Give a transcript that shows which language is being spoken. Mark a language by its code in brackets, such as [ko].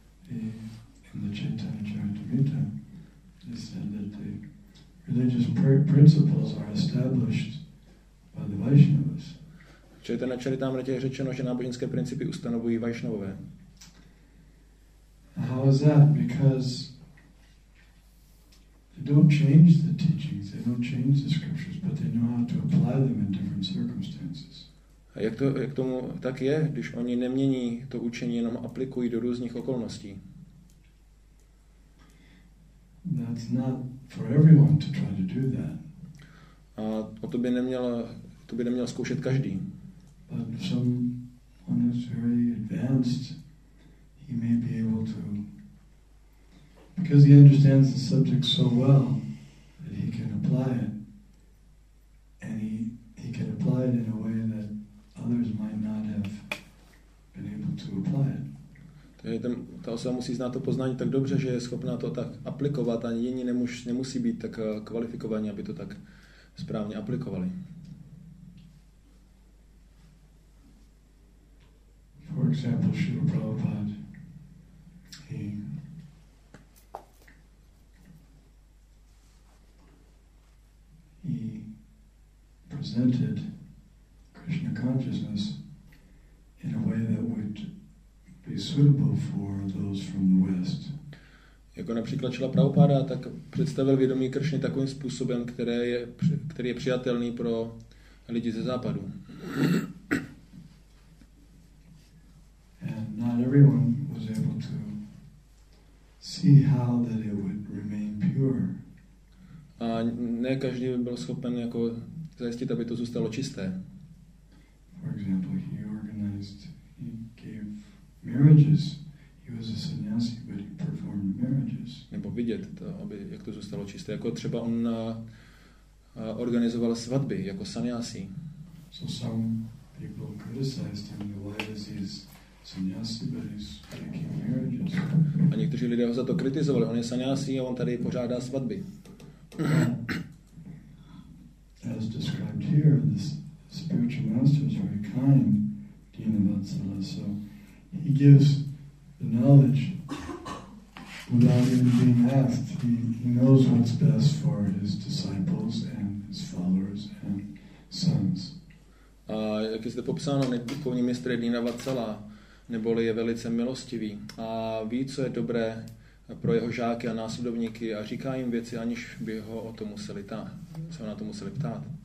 [en] In the Chaitanya Charitamrita, it said that the religious principles are established by the Vaishnavas. [cs] Chaitanya Charitamrita je řečeno, že náboženské principy ustanovují Vaishnavové. [en] How is that? Because they don't change the teachings, they don't change the scriptures, but they know how to apply them in different circumstances. [cs] A jak tomu tak je, když oni nemění to učení, jenom aplikují do různých okolností? [en] That's not for everyone to try to do that. [cs] A to by neměl zkoušet každý. [en] But if someone is very advanced, he may be able to. Because he understands the subject so well that he can apply it, and he can apply it in a way that others might not have been able to apply it. [cs] Takže ta osoba musí znát to poznání tak dobře, že je schopná to tak aplikovat, a jiní nemusí být tak kvalifikovaní, aby to tak správně aplikovali. [en] For example, Srila Prabhupada, he presented Krishna consciousness in a way that would be suitable for those from the West. [cs] Jako například Šrila Prabhupáda, tak představil vědomí Kršny takovým způsobem, který je přijatelný pro lidi ze západu. [en] And not everyone was able to see how that it would remain pure. [cs] A ne každý byl schopen jako zajistit, aby to zůstalo čisté. [en] For example, he organized, he gave marriages. He was a sannyasi, but he performed marriages. [cs] Nebo vidět to, aby jak to zůstalo čisté, jako třeba on organizoval svatby jako sannyasi. [en] So some people criticized him, why does he sannyasi, but he's making marriages. [cs] A někteří lidé ho za to kritizovali, on je sannyasi a on tady pořádá svatby. [en] As described here, this spiritual master is very kind, Dinavatsala, so he gives the knowledge without even being asked. He knows what's best for his disciples and his followers and sons. [cs] A jak je zde popsáno, duchovní mistr Dinavatsala, neboli je velice milostivý a ví, co je dobré pro jeho žáky a následovníky a říká jim věci, aniž by ho o to museli se ho na to museli ptát.